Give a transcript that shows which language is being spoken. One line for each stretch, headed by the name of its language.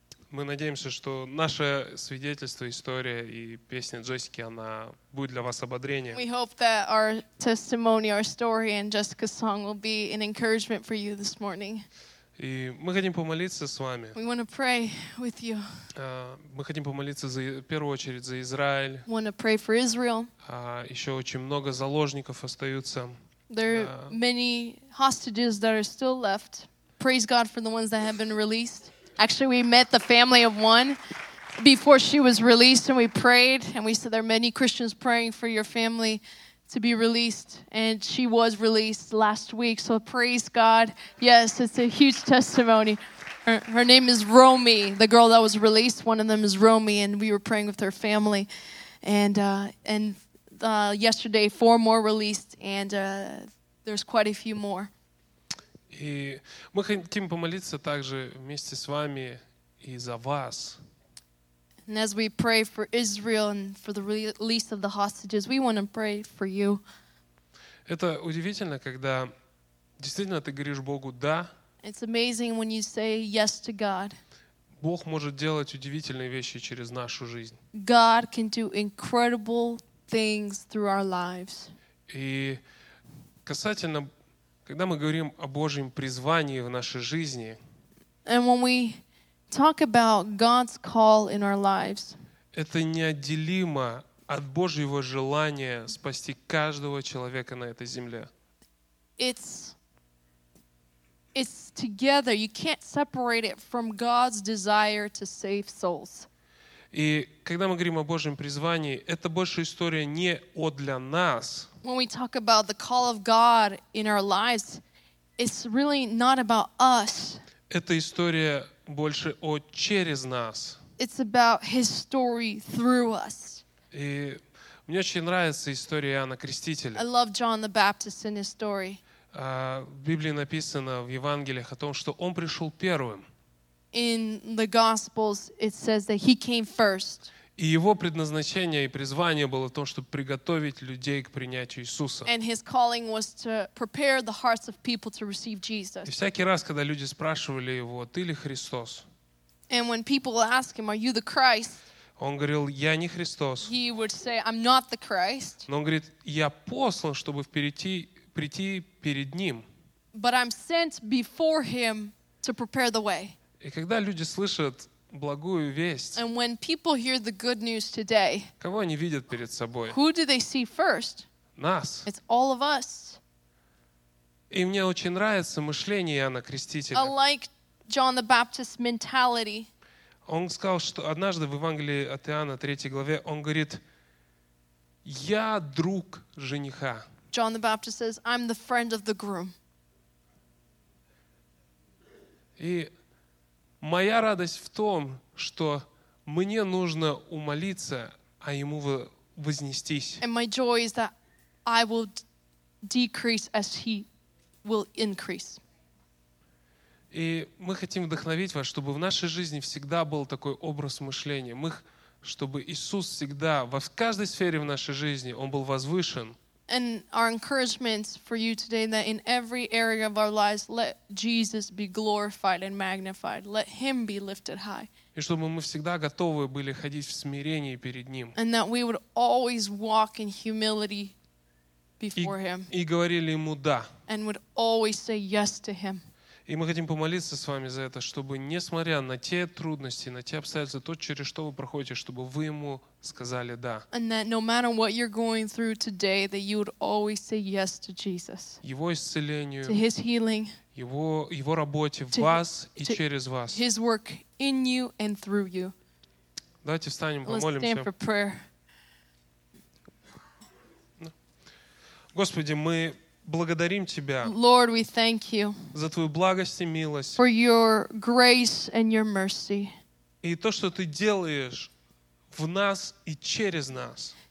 Russian: Мы надеемся, что наше свидетельство, история и песня Джессики, она будет для вас ободрением.
English: We hope that our testimony, our story and Jessica's song will be an encouragement for you this morning.
Russian: И мы хотим помолиться с вами.
English: We want to pray with you.
Russian: Мы хотим помолиться за, в первую очередь за Израиль.
English: We want to pray for Israel.
Russian: Еще очень много заложников остаются.
English: There are many hostages that are still left. Praise God for the ones that have been released. Actually, we met the family of one before she was released, and we prayed, and we said there are many Christians praying for your family to be released, and she was released last week. So praise God. Yes, it's a huge testimony. Her name is Romy, the girl that was released. One of them is Romy, and we were praying with her family. And yesterday, four more released, and there's quite a few more.
Russian: И мы хотим помолиться также вместе с вами и за вас.
English: And as we pray for Israel and for the release of the hostages, we want to pray for you.
Russian: Это удивительно, когда действительно ты говоришь Богу «да».
English: It's amazing when you say yes to God.
Russian: Бог может делать удивительные вещи через нашу жизнь.
English: God can do incredible things through our lives.
Russian: И касательно, когда мы говорим о Божьем призвании в нашей жизни,
English: and when we talk about God's call in our lives,
Russian: это неотделимо от Божьего желания спасти каждого человека на этой земле.
English: It's together. You can't separate it from God's desire to save souls.
Russian: И когда мы говорим о Божьем призвании, это больше история не о для нас.
English: When we talk about the call of God in our lives, it's really not about us.
Russian: Это история больше о через нас.
English: It's about His story through us.
Russian: И мне очень нравится история Иоанна Крестителя.
English: I love John the Baptist and his story.
Russian: В Библии написано в Евангелиях о том, что он пришел первым.
English: In the Gospels it says that he came first.
Russian: И его предназначение и призвание было то, чтобы приготовить людей к принятию Иисуса.
English: And his calling was to prepare the hearts of people to receive Jesus.
Russian: И всякий раз, когда люди спрашивали его: «Ты ли Христос?»
English: And when people ask him, "Are you the Christ?"
Russian: Он говорил: «Я не Христос».
English: He would say, "I'm not the Christ."
Russian: Но он говорит: «Я послан, чтобы прийти перед Ним».
English: But I'm sent before Him to prepare the way.
Russian: И когда люди слышат благую весть,
English: and when people hear the good news today,
Russian: кого они видят перед собой?
English: Who do they see first?
Russian: Нас.
English: It's all of us.
Russian: И мне очень нравится мышление Иоанна Крестителя.
English: I like John the Baptist's mentality.
Russian: Он сказал, что однажды в Евангелии от Иоанна, 3 главе, он говорит: «Я друг жениха».
English: John the Baptist says, "I'm the friend of the groom."
Russian: И моя радость в том, что мне нужно умолиться, а ему вознестись.
English: And my joy is that I will decrease as he will increase.
Russian: И мы хотим вдохновить вас, чтобы в нашей жизни всегда был такой образ мышления. Чтобы Иисус всегда, в каждой сфере в нашей жизни, Он был возвышен.
English: And our encouragement for you today that in every area of our lives, let Jesus be glorified and magnified. Let Him be lifted high.
Russian: И чтобы мы всегда готовы были ходить в смирении перед Ним.
English: And that we would always walk in humility before Him.
Russian: И говорили Ему «да».
English: And would always say yes to Him.
Russian: И мы хотим помолиться с вами за это, чтобы, несмотря на те трудности, на те обстоятельства, то, через что вы проходите, чтобы вы Ему сказали «да».
English: And that no matter what you're going through today, that you would always say yes to Jesus.
Russian: Его исцелению,
English: to His healing,
Russian: Его работе в вас и через вас.
English: His work in you and through you.
Russian: Давайте встанем, помолимся.
English: Let's stand for prayer.
Russian: Господи, мы благодарим Тебя,
English: Lord, we thank you
Russian: за Твою благость и милость,
English: for your grace and your mercy,
Russian: и то, что Ты делаешь в нас и через нас,